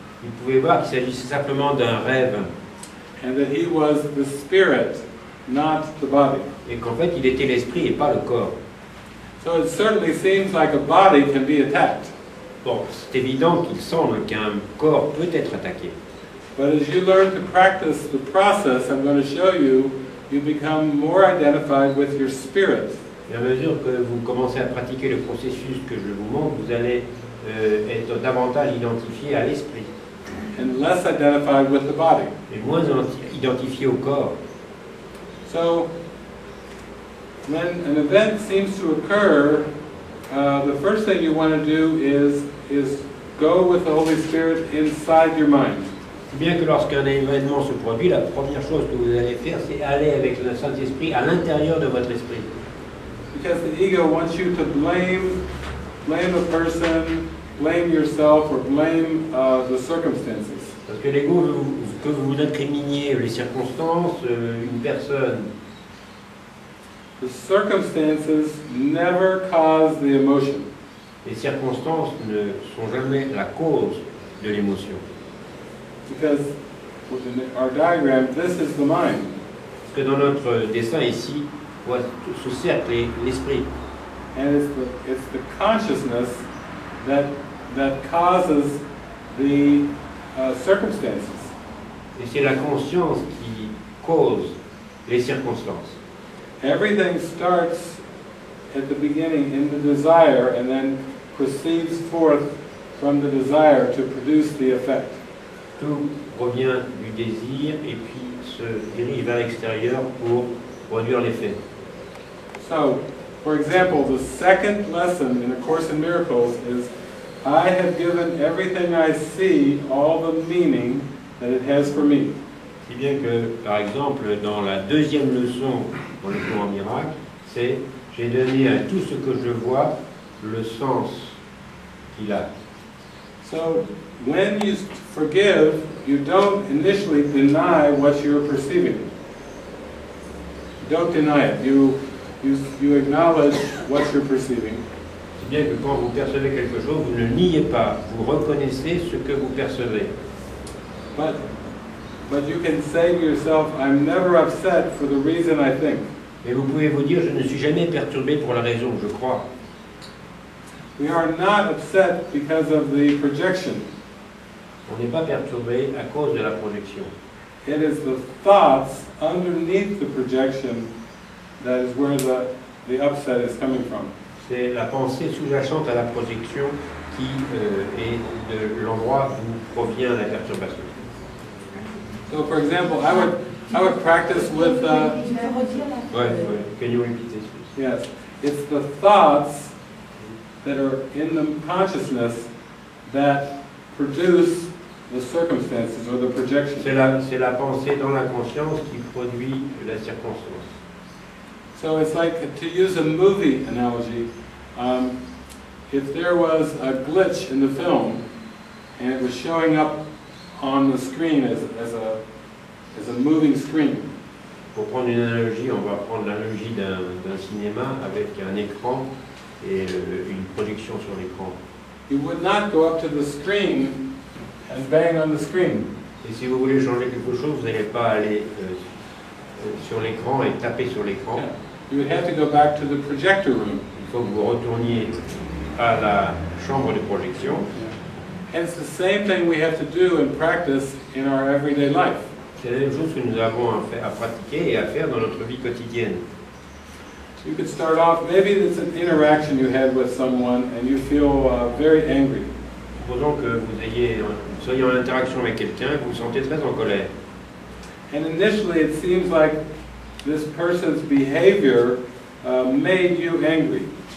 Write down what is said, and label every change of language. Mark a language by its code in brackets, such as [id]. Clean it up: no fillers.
[fr] Il pouvait voir qu'il s'agissait simplement d'un rêve. [en] And that he was the spirit, not the body. [fr] Et qu'en fait, il était l'esprit et pas le corps. [en] So it certainly seems like a body can be attacked. [fr] Bon, c'est évident qu'il semble qu'un corps peut être attaqué. [en] But as you learn to practice the process I'm going to show you, you become more identified with your spirit. [fr] Et à mesure que vous commencez à pratiquer le processus que je vous montre, vous allez être davantage identifié à l'esprit [en] and less identified with the body. [fr] Et moins identifié au corps. [en] So, when an event seems to occur, the first thing you want to do is go with the Holy Spirit inside your mind. [fr] Bien que lorsqu'un événement se produit, la première chose que vous allez faire, c'est aller avec le Saint-Esprit à l'intérieur de votre esprit. [en] Because the ego wants you to blame a person, blame yourself, or blame the circumstances. [fr] Parce que l'ego veut que vous incriminiez les circonstances, une personne. [en] The circumstances never cause the emotion. [fr] Les circonstances ne sont jamais la cause de l'émotion. [en] Because within our diagram, this is the mind. [fr] Parce que dans notre dessin ici, ce cercle est l'esprit. [en] And it's the consciousness that causes the circumstances. [fr] Et c'est la conscience qui cause les circonstances. [en] Everything starts at the beginning in the desire and then proceeds forth from the desire to produce the effect. [fr] Tout provient du désir et puis se dirige vers l'extérieur pour produire l'effet. [en] So, for example, the second lesson in A Course in Miracles is I have given everything I see all the meaning that it has for me. [fr] Si bien que, par exemple, dans la deuxième leçon pour le cours en miracle, c'est j'ai donné à tout ce que je vois le sens qu'il a. [en] So, when you forgive, you don't initially deny what you're perceiving. You don't deny it. You acknowledge what you're perceiving. [fr] C'est bien que quand vous percevez quelque chose, vous ne niez pas. Vous reconnaissez ce que vous percevez. [en] But you can say to yourself, I'm never upset for the reason I think. [fr] Et vous pouvez vous dire, je ne suis jamais perturbé pour la raison, je crois. [en] We are not upset because of the projection. [fr] On n'est pas perturbé à cause de la projection. [en] It is the thoughts underneath the projection that is where the upset is coming from. [fr] C'est la pensée sous-jacente à la projection qui est de l'endroit d'où provient la perturbation. [en] So, for example, I would practice with. Can you repeat this? Yes, it's the thoughts that are in the consciousness that produce the circumstances or the projection. [fr] C'est la pensée dans la conscience qui produit la circonstance. [en] So it's like, to use a movie analogy, if there was a glitch in the film and it was showing up on the screen as a moving screen. [fr] Pour prendre une analogie, on va prendre l'analogie d'un cinéma avec un écran et une projection sur l'écran. [en] You would not go up to the screen and bang on the screen. [fr] Et si vous voulez changer quelque chose, vous n'allez pas aller sur l'écran et taper sur l'écran. [en] Yeah. You would have to go back to the projector room. [fr] Il faut que vous retourniez à la chambre de projection. [en] Yeah. And it's the same thing we have to do and practice in our everyday life. [fr] C'est la même chose que nous avons à pratiquer et à faire dans notre vie quotidienne. [en] You could start off, maybe it's an interaction you had with someone and you feel very angry. [fr] Supposons que vous soyez en interaction avec quelqu'un, vous vous sentez très en colère. [en] And initially it seems like this person's behavior made you angry.